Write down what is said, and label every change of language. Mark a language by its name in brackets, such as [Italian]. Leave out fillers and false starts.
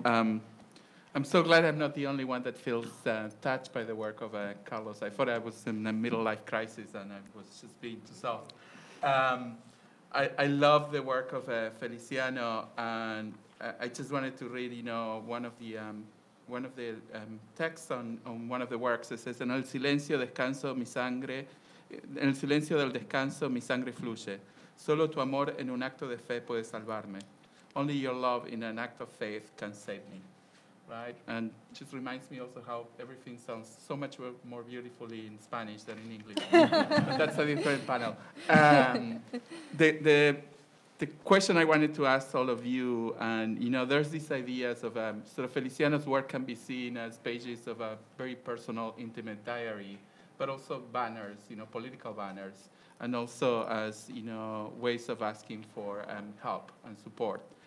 [English] I'm so glad I'm not the only one that feels touched by the work of Carlos. I thought I was in a middle life crisis and I was just being too soft. I love the work of Feliciano, and I just wanted to read, you know, one of the texts on one of the works. [Spanish] It says, "En el silencio descanso mi sangre, en el silencio del descanso mi sangre fluye. Solo tu amor en un acto de fe puede salvarme. [English] Only your love in an act of faith can save me." Right? And it just reminds me also how everything sounds so much more beautifully in Spanish than in English. That's a different panel. The question I wanted to ask all of you, and you know, there's these ideas of sort of Feliciano's work can be seen as pages of a very personal, intimate diary, but also banners, you know, political banners, and also as, you know, ways of asking for help and support.